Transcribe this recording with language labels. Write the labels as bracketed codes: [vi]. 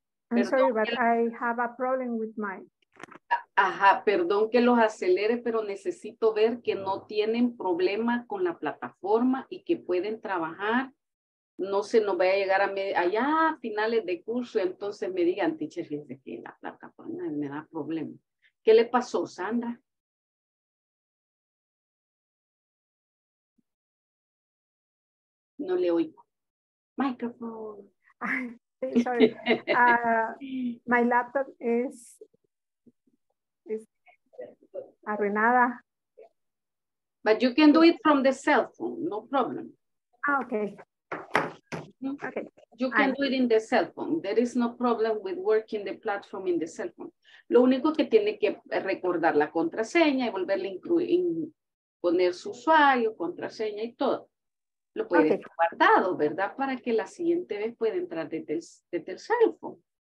[en] I'm sorry, but I have a problem with mine. [es] Ajá, perdón que los acelere, pero necesito ver que no tienen problema con la plataforma y que pueden trabajar. No se nos vaya a llegar allá a finales de curso, entonces me digan, teacher, fíjense que la plataforma me da problema. ¿Qué le pasó, Sandra? No le oigo. Microphone. [en] Sorry. My laptop is... [es] arruinada. [en] But you can do it from the cell phone, no problem. Ah, okay. Okay. You can do it in the cell phone. There is no problem with working the platform in the cell phone. [es] Lo único que tiene que recordar la contraseña y volverle a incluir, poner su usuario, contraseña y todo. Lo puede estar guardado, ¿verdad? Para que la siguiente vez pueda entrar desde el cell phone.